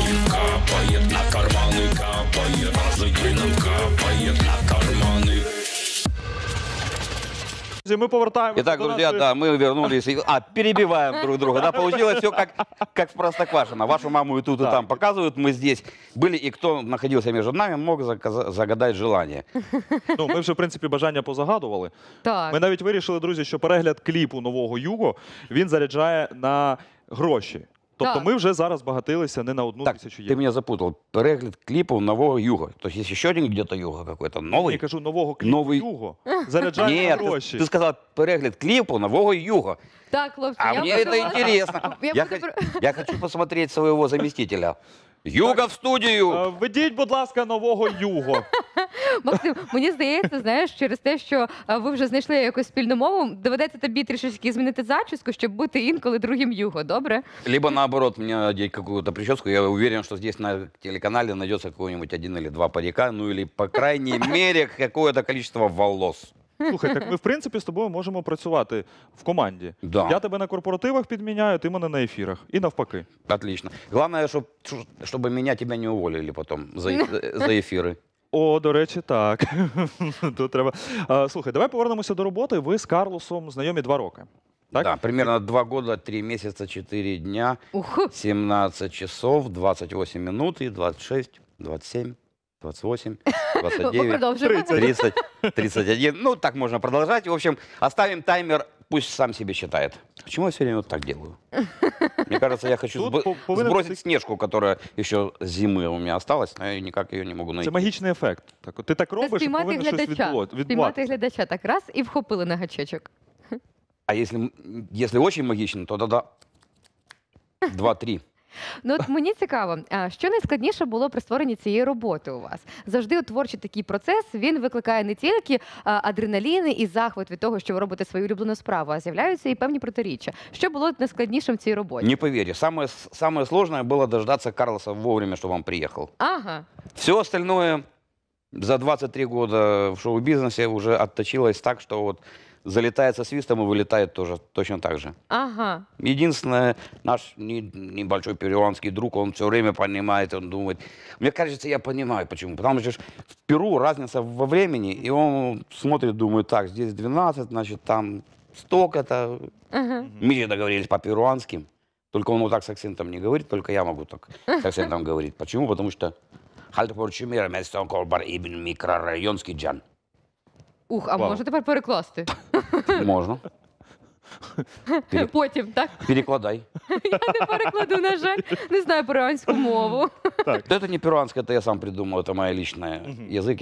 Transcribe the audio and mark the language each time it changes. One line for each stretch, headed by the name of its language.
Russian: Капает на карманы, капает, каждый день нам капает на карманы.
Ukrainian: Мы повертаемся.
Russian: Итак, друзья, наши... да, мы вернулись. А, перебиваем друг друга. Да, получилось все как в Простоквашино. Вашу маму и тут, и там показывают. Мы здесь были, и кто находился между нами, мог загадать желание.
Ukrainian: Ну, мы вже, в принципі, бажання позагадували. Так. Ми навіть вирішили, друзі, що перегляд кліпу нового Юго, він заряджає на гроші. Тобто так. Ми вже зараз збагатилися не на одну так, тисячу євро. Ти мене запутав. Перегляд кліпу нового Юго. Тобто є ще один
Russian: где-то
Ukrainian: Юго
Russian: какой-то
Ukrainian: новий. Я кажу нового кліпу новий... Юго. Заряджає ні, гроші. Ти сказав перегляд кліпу нового Юго. Так, хлопці. А мені це цікаво.
Russian: Я хочу посмотреть
Ukrainian: свого замістителя. Юго в студію. Ведіть, будь ласка, нового Юго. Максим, мені здається, знаєш, через те, що ви вже знайшли якусь спільну мову, доведеться тобі трішечки змінити зачіску, щоб бути інколи другим Юго, добре?
Russian: Либо наоборот,
Ukrainian: мені надіть якусь
Russian: прическу, я уверен, що здесь на телеканалі знайдеться какой-нибудь один или два парика, ну или, по крайней мере, какое-то количество волос.
Ukrainian: Слухай, так ми, в принципі, з тобою можемо працювати в команді.
Russian: Да.
Ukrainian: Я тебе на корпоративах підміняю, ти мене на ефірах. І навпаки.
Russian: Отлично.
Ukrainian: Головне, щоб мене тебе не уволили потім за ефіри. О, до речі, так. Тут треба. Слухай, давай повернемося до роботи. Ви з Карлосом знайомі 2 роки. Так?
Russian: Да, примерно 2 года, 3 месяца, 4 дня, 17 часов, 28 минут, 26, 27, 28, 29, 30, 31. Ну, так можно продолжать. В общем, оставим таймер, пусть сам себе считает. Почему я все время вот так делаю? Мне кажется, я хочу сбросить снежку, которая еще зимы у меня осталась, но я никак ее не могу найти. Это магичный эффект. Так, ты так робишь, что повинно
Ukrainian: щось відбуватися. Спіймати глядача так раз и вхопили на гачечок.
Russian: А если очень магично, то тогда 2-3.
Ukrainian: Ну от мені цікаво, що найскладніше було при створенні цієї роботи у вас? Завжди творчий такий процес, він викликає не тільки адреналін і захват від того, що ви робите свою улюблену справу, а з'являються і певні протиріччя. Що було найскладнішим в цій роботі? Не повірю, саме
Russian: сложне
Ukrainian: було дождатися Карлоса вовремя, щоб він приїхав. Ага.
Russian: Все остальное За 23 года в шоу-бизнесе уже отточилось так, что вот залетает со свистом и вылетает тоже точно так же. Ага. Единственное, наш небольшой перуанский друг, он все время понимает, он думает. Мне кажется, я понимаю, почему. Потому что в Перу разница во времени, и он смотрит, думает, так, здесь 12, значит, там столько-то. Ага. Мы же договорились по-перуански. Только он вот так с акцентом не говорит, только я могу так с акцентом говорить. Почему? Потому что... Хальтепорчимир, местон колбар, ібн мікрорайонський джан.
Ukrainian: Ух, а можна тепер перекласти? Можна. Потім, так? Перекладай. Я не перекладу, на жаль. Не знаю перуанську мову. Це не перуанське, це я сам придумав, це моя лічний язик.